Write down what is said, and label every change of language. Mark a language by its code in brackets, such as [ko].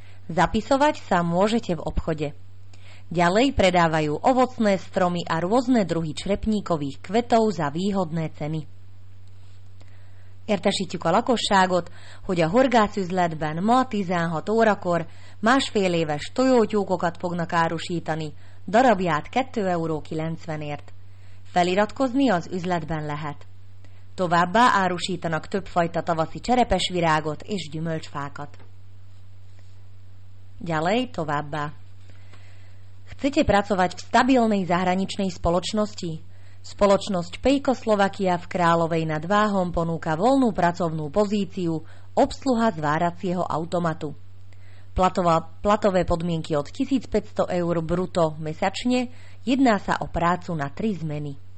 [sk] Zapisovať sa môžete v obchode. Ďalej predávajú ovocné stromy a rôzne druhy črepníkových kvetov za výhodné ceny. [hu] Értesítjük a lakosságot, hogy a horgászüzletben ma 16 órakor másfél éves tojótyúkokat fognak árusítani, darabját 2,90 €. Feliratkozni az üzletben lehet. Továbbá árusítanak többfajta tavaszi cserepes virágot és gyümölcsfákat. [sk] Ďalej [hu] továbbá. [sk] Chcete pracovať v stabilnej zahraničnej spoločnosti? Spoločnosť Pejko Slovakia v Královej nad Váhom ponúka voľnú pracovnú pozíciu obsluha zváracieho automatu. Platové podmienky od 1500 € bruto mesačne, jedná sa o prácu na 3 zmeny.